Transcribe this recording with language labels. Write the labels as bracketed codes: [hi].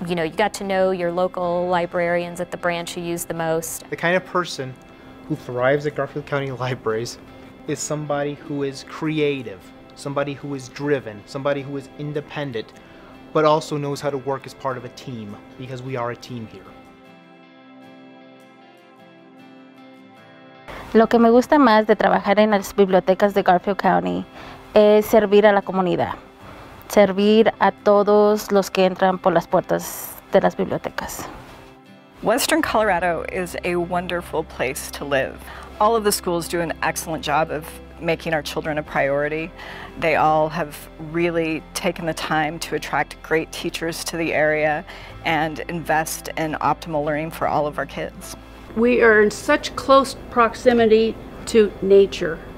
[en] You know, you got to know your local librarians at the branch you use the most. The kind of person who thrives at Garfield County Libraries is somebody who is creative, somebody who is driven, somebody who is independent, but also knows how to work as part of a team, because we are a team here. [es] Lo que me gusta más de trabajar en las bibliotecas de Garfield County es servir a la comunidad, servir a todos los que entran por las puertas de las bibliotecas. [en] Western Colorado is a wonderful place to live. All of the schools do an excellent job of making our children a priority. They all have really taken the time to attract great teachers to the area and invest in optimal learning for all of our kids. We are in such close proximity to nature.